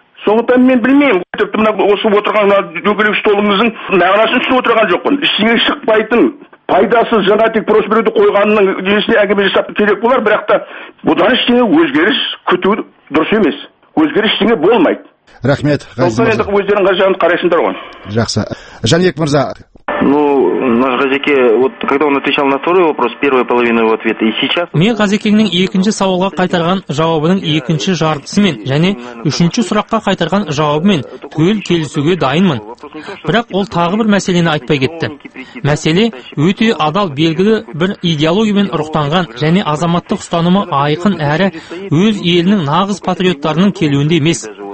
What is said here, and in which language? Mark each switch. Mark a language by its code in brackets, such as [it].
[kk] Сондықтан мен білмеймін, тіпті мына осы отырған дөңгелек столымыздың мағынасын түсініп отырған жоқпын. Ештеңе шықпайтын пайдасыз жаңа тек просперуді қойғанның несіне әңгіме жасап керек болар, бірақ та бұдан ештеңе өзгеріс күту дұрыс емес. Өзгеріс ештеңе болмайды. Рахмет. Өздеріңіз жағыңызды қарайсыңдар ғой. Жақсы. Жәнібек мырза. [ru] Ну, наш Газике, вот когда он отвечал на второй вопрос, первую половину его ответа, и сейчас... [kk] Мен Газикенің екінші сауалға қайтарған жауабының екінші жартысымен, және үшінші сұраққа қайтарған жауабымен түгел келісуге дайынмын. Бірақ ол тағы бір мәселені айтпай кетті. Мәселе өте адал белгілі бір идеологиямен рухтанған және азаматтық ұстанымы айқын әрі өз елінің нағыз патриоттарының келуінде емес.